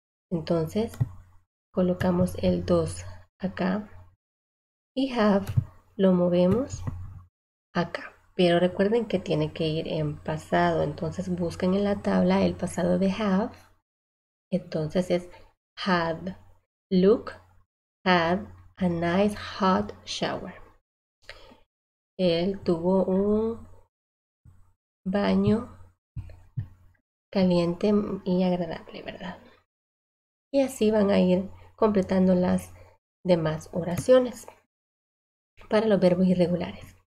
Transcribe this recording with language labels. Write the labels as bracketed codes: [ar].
[es] Entonces, colocamos el 2 acá y have lo movemos acá. Pero recuerden que tiene que ir en pasado. Entonces, busquen en la tabla el pasado de have. Entonces es had. [en] Luke had a nice hot shower. [es] Él tuvo un baño caliente y agradable, ¿verdad? Y así van a ir completando las demás oraciones para los verbos irregulares.